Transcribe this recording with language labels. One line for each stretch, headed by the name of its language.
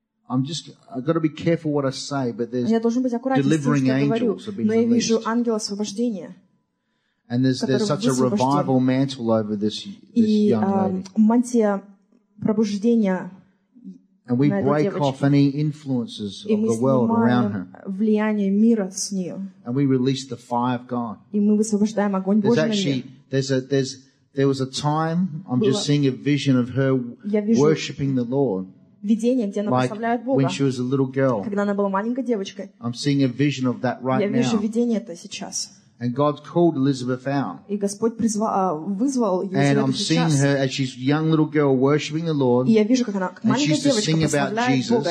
English: I've got to be careful what I say, but there's delivering angels have been released.
Russian: Но я вижу ангел освобождения.
English: And there's such a revival mantle over this young lady.
Russian: И мантия пробуждения.
English: And we break off any influences of the world around her.
Russian: Влияние мира с нее.
English: And we release the fire of God.
Russian: И мы высвобождаем огонь Божий.
English: There was a time I'm just seeing a vision of her worshiping the Lord.
Russian: Видение, где она прославляет Бога.
English: When she was a little girl.
Russian: Когда она была маленькой девочкой.
English: I'm seeing a vision of that right now.
Russian: Я вижу видение это сейчас.
English: And God called Elizabeth out.
Russian: И Господь призвал, вызвал ее сейчас.
English: And I'm seeing her as she's a young little girl worshiping the Lord.
Russian: И я вижу, как она маленькая девочка прославляет Бога.